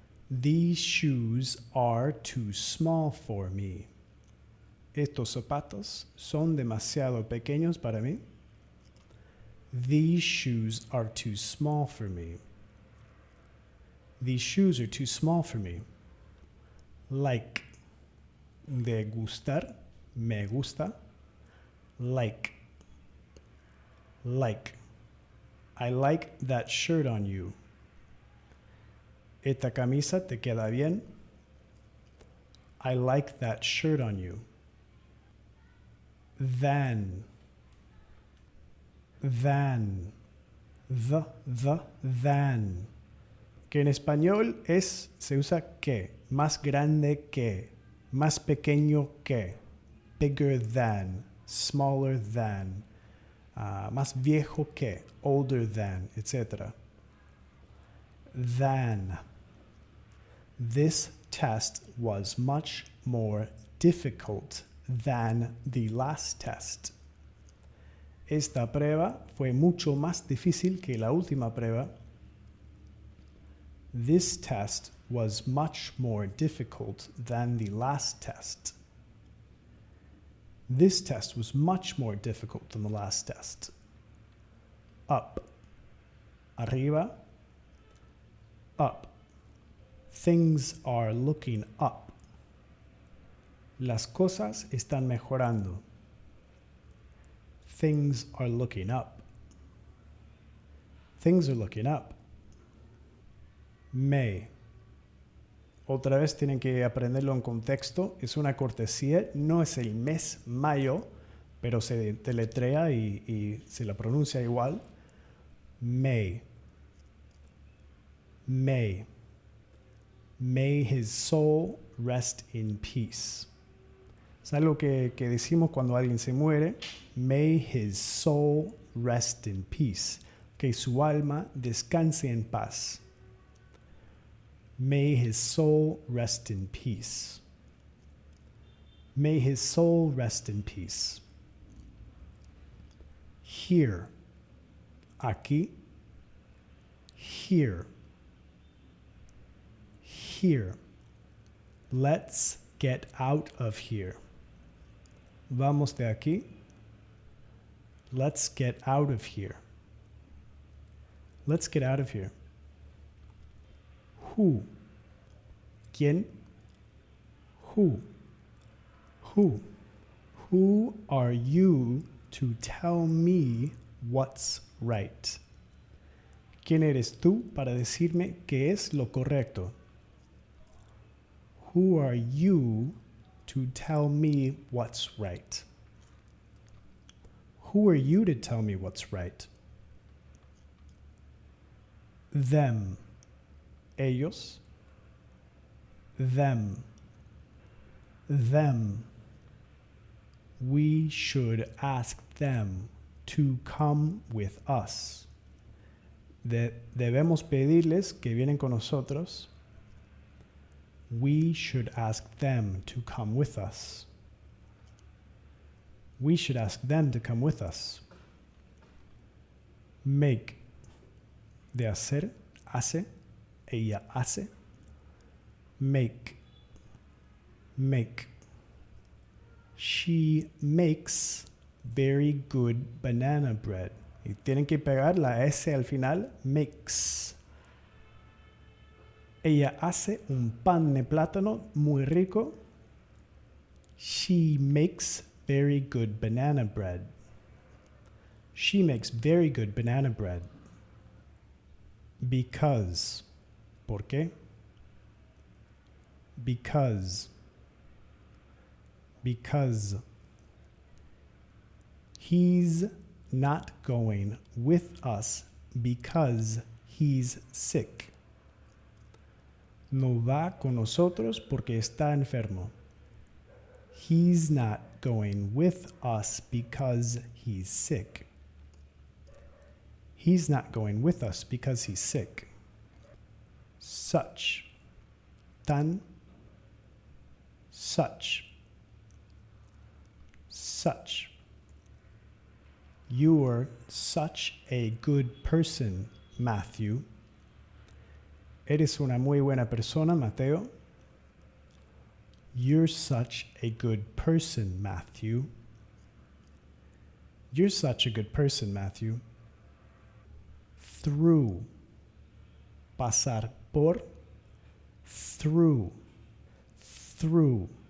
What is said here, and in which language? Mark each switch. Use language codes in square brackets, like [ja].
[en] These shoes are too small for me. [es] Estos zapatos son demasiado pequeños para mí. [en] These shoes are too small for me. These shoes are too small for me. Like. [es] De gustar. Me gusta. [en] Like. Like. I like that shirt on you. [es] Esta camisa te queda bien. [en] I like that shirt on you. Than. Than. The than. [es] Que en español se usa que. Más grande que. Más pequeño que. [en] Bigger than, smaller than, [es] más viejo que, [en] older than, etc. Than. This test was much more difficult than the last test. [es] Esta prueba fue mucho más difícil que la última prueba. [en] This test was much more difficult than the last test. This test was much more difficult than the last test. Up. [es] Arriba. [en] Up. Things are looking up. [es] Las cosas están mejorando. [en] Things are looking up. Things are looking up. May. [es] Otra vez tienen que aprenderlo en contexto. Es una cortesía. No es el mes mayo, pero se deletrea y se la pronuncia igual. [en] May. May. May his soul rest in peace. [es] Es algo que decimos cuando alguien se muere. [en] May his soul rest in peace. [es] Que su alma descanse en paz. [en] May his soul rest in peace. May his soul rest in peace. Here. [es] Aquí. [en] Here. Here. Let's get out of here. [es] Vamos de aquí. [en] Let's get out of here. Let's get out of here. Who? [es] ¿Quién? [en] Who? Who? Who are you to tell me what's right? [es] ¿Quién eres tú para decirme qué es lo correcto? [en] Who are you to tell me what's right? Who are you to tell me what's right? Them. [es] Ellos. [en] Them. Them. We should ask them to come with us. [es] Debemos pedirles que vienen con nosotros. [en] We should ask them to come with us. We should ask them to come with us. Make. [es] De hacer. Hace. Ella hace. [en] Make. Make. She makes very good banana bread. [es] Y tienen que pegar la S al final. [en] Makes. [es] Ella hace un pan de plátano muy rico. [en] She makes very good banana bread. She makes very good banana bread. Because. [es] ¿Por qué? [en] Because. Because. He's not going with us because he's sick. [es] No va con nosotros porque está enfermo. [en] He's not going with us because he's sick. He's not going with us because he's sick. Such. [es] Tan. [en] Such. Such. You're such a good person, Matthew. [es] Eres una muy buena persona, Mateo. [en] You're such a good person, Matthew. You're such a good person, Matthew. Through. [es] Pasar por. [en] Through. Through.